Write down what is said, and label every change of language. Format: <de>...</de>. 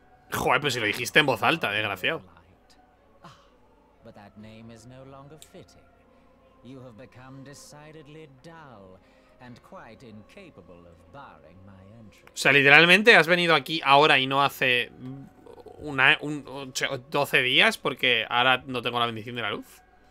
<es>Joder, pues si lo dijiste en voz alta, desgraciado.</es> <en>But that name is no longer fitting. You have become decidedly dull and quite incapable of barring my entrance.</en> <es>O sea, literalmente has venido aquí ahora y no hace una, 12 días porque ahora no tengo la bendición de la luz.</es>